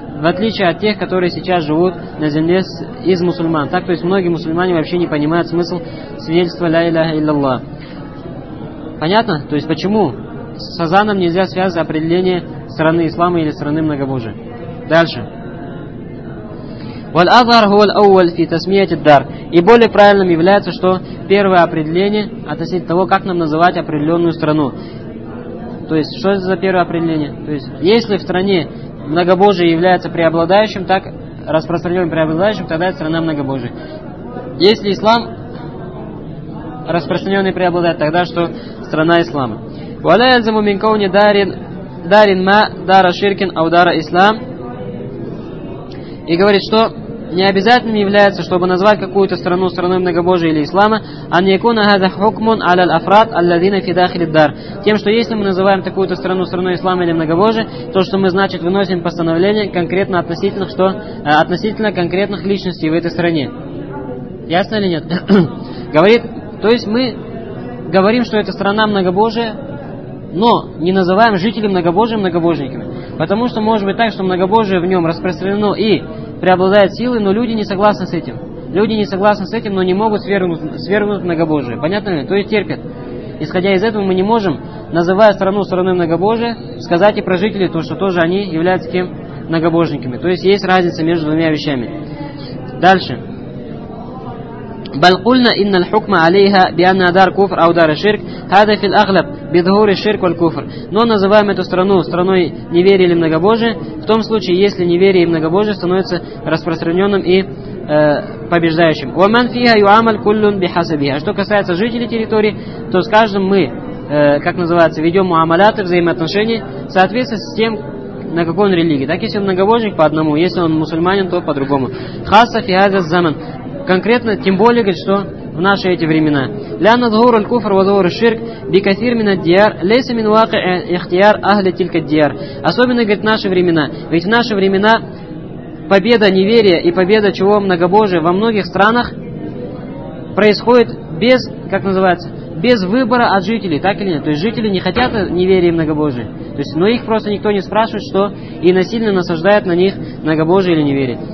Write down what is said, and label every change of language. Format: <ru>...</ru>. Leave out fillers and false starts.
<ru>В отличие от тех, которые сейчас живут на земле из мусульман. Так, то есть многие мусульмане вообще не понимают смысл свидетельства «Ля илляха илляллах». Понятно? То есть почему с азаном нельзя связывать определение страны ислама или страны многобожия? Дальше.</ru> <ar>والأظهر هو الأول في تسمية الدار.</ar> <ru>И более правильным является, что первое определение относительно того, как нам называть определенную страну. То есть, что это за первое определение? То есть, если в стране многобожие является преобладающим, так распространенным преобладающим, тогда это страна многобожия. Если ислам распространенный преобладает, тогда что? Страна ислама.</ru> <ar>ولا يلزم من كون دار ما دار شرك أو دار إسلام.</ar> <ru>И говорит, что необязательным является, чтобы назвать какую-то страну страной многобожия или ислама,</ru> <ar>أن يكون هذا حكم على الأفراد الذين في داخل الدار.</ar> <ru>Тем, что если мы называем такую-то страну страной ислама или многобожия, то, что мы, значит, выносим постановление конкретно относительно конкретных личностей в этой стране. Ясно или нет? Говорит, то есть мы говорим, что это страна многобожия, но не называем жителей многобожия многобожниками. Потому что может быть так, что многобожие в нем распространено и преобладает силы, но люди не согласны с этим. Люди не согласны с этим, но не могут свергнуть многобожие. Понятно ли? То есть терпят. Исходя из этого, мы не можем, называя страну страной многобожия, сказать и про жителей то, что тоже они являются кем? Многобожниками. То есть есть разница между двумя вещами. Дальше.</ru> <ar>بل قلنا إن الحكم عليها بأنها دار كفر أو دار شرك هذا في الأغلب بظهور الشرك والكفر.</ar> <ru>Но называем эту страну страной неверия или многобожия в том случае, если неверие и многобожие становится распространенным и побеждающим.</ru> <ar>ومن فيها يعامل كل بحسبها.</ar> <ru>Что касается жителей территории, то с каждым мы, как называется, ведем муамаляты, взаимоотношения в соответствии с тем, на какой он религии. Так, если он многобожник, по одному, если он мусульманин, то по-другому.</ru> <ar>خاصة في هذا الزمن.</ar> <ru>Конкретно, тем более, говорит, что в наши эти времена.</ru> <ar>لأن ظهور الكفر وظهور الشرك بكثير من الديار ليس من واقع اختيار أهل تلك الديار.</ar> <ru>Особенно, говорит, в наши времена. Ведь в наши времена победа неверия и победа чего многобожия во многих странах происходит без, как называется, без выбора от жителей, так или нет? То есть жители не хотят неверия и многобожия. То есть, но их просто никто не спрашивает, что и насильно насаждает на них многобожие или неверие.</ru>